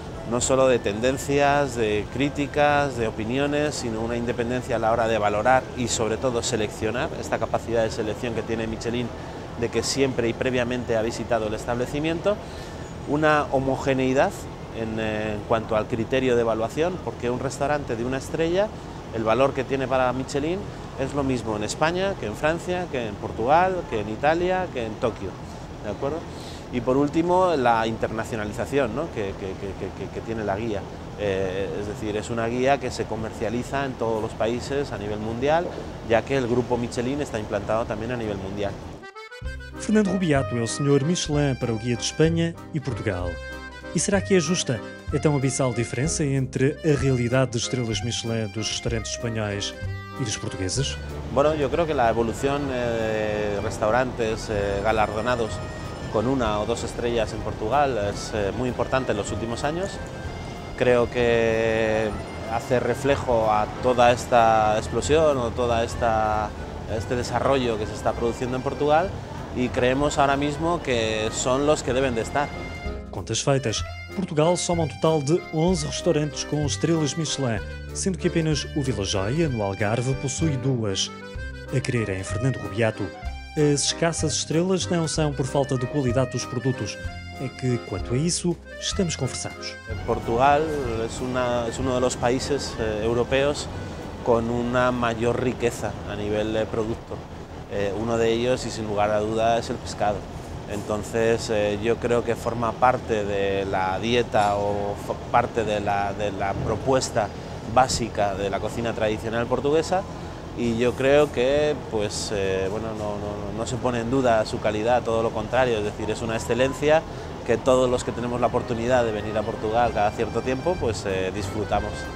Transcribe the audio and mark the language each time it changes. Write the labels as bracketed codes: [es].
[es] no solo de tendencias, de críticas, de opiniones, sino una independencia a la hora de valorar y sobre todo seleccionar, esta capacidad de selección que tiene Michelin de que siempre y previamente ha visitado el establecimiento, una homogeneidad en cuanto al criterio de evaluación, porque un restaurante de una estrella, el valor que tiene para Michelin es lo mismo en España, que en Francia, que en Portugal, que en Italia, que en Tokio, ¿de acuerdo? Y por último, la internacionalización, ¿no? que tiene la guía. Es decir, es una guía que se comercializa en todos los países a nivel mundial, ya que el grupo Michelin está implantado también a nivel mundial. [pt] Fernando Rubiato é o senhor Michelin para o Guia de Espanha e Portugal. E será que é justa a tão abissal diferença entre a realidade de estrelas Michelin dos restaurantes espanhóis e dos portugueses? [es] Bueno, yo creo que la evolución de restaurantes galardonados con una o dos estrellas en Portugal es muy importante en los últimos años. Creo que hace reflejo a toda esta explosión o toda este desarrollo que se está produciendo en Portugal y creemos ahora mismo que son los que deben de estar. [pt] Contas feitas, Portugal soma um total de 11 restaurantes com estrelas Michelin, sendo que apenas o Vila Joia, no Algarve, possui duas. A crer em Fernando Rubiato, as escassas estrelas não são por falta de qualidade dos produtos. É que, quanto a isso, estamos conversados. Portugal é um dos países europeus com uma maior riqueza a nível de produto. Um deles, e sem lugar a dúvida, é o pescado. [es] Entonces yo creo que forma parte de la dieta o parte de la propuesta básica de la cocina tradicional portuguesa y yo creo que pues, no se pone en duda su calidad, todo lo contrario, es decir, es una excelencia que todos los que tenemos la oportunidad de venir a Portugal cada cierto tiempo pues disfrutamos.